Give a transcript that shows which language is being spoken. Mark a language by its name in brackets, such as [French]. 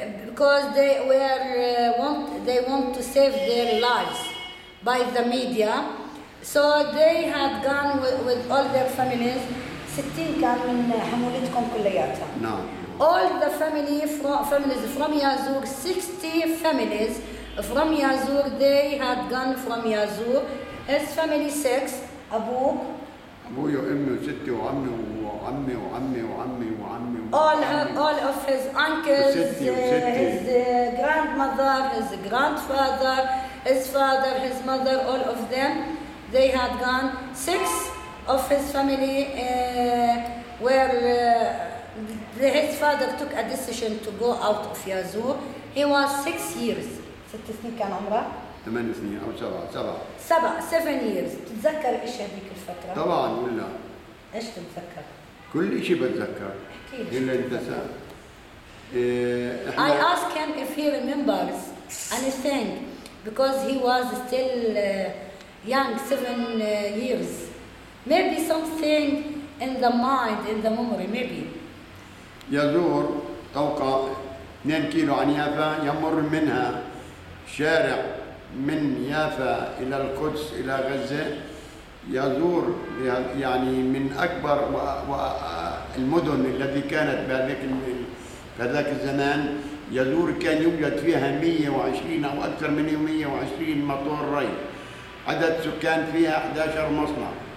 [English] Because they were want to save their lives by the media, so they had gone with all their families. [Arabic] 60 كان من حمولتكم كلياتها. [English] No. All the families from Yazur, 60 families from Yazur, they had gone from Yazur. His family 6. [Arabic] أبوك. أبوي وأمي وستي وعمي وعمي وعمي وعمي وعمي [English] all of his uncles, his grandmother, his grandfather, his father, his mother, all of them, they had gone. Six of his family were, his father took a decision to go out of Yazoo. He was 6 years. 6 years [Arabic] كان عمره. 8 سنين أو سبعة. سبعة. [English] 7 years. [Arabic] تتذكر إيش هذيك الفترة؟ طبعاً ولا. إيش تتذكر؟ كل إشي بتذكر. أحكي لي. إلا [English] I ask him if he remembers anything because he was still young, 7 years. Maybe something in the mind, in the memory, maybe. [Arabic] يزور طوقة 2 كيلو عن يافا يمر منها شارع من يافا إلى القدس إلى غزة يزور يعني من أكبر المدن التي كانت بهذيك فذاك الزمان يزور كان يوجد فيها 120 أو أكثر من 120 مطار ري عدد سكان فيها 11 مصنع